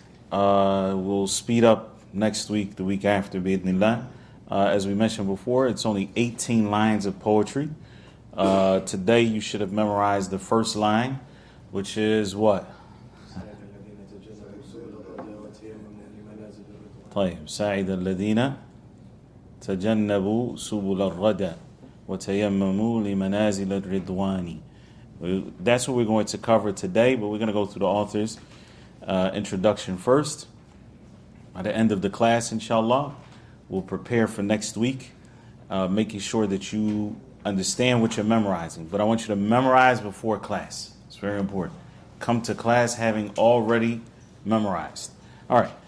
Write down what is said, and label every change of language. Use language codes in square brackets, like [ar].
[en] We'll speed up next week, the week after, bi'idhnillah. As we mentioned before, it's only 18 lines of poetry. Today, you should have memorized the first line, which is what? [ar] طيب سعيد الذين تجنبوا سبل الردى وتيمموا لمنازل الرضوان. [en] That's what we're going to cover today, but we're going to go through the author's introduction first. By the end of the class, inshallah, we'll prepare for next week, making sure that you understand what you're memorizing. But I want you to memorize before class. It's very important. Come to class having already memorized. All right.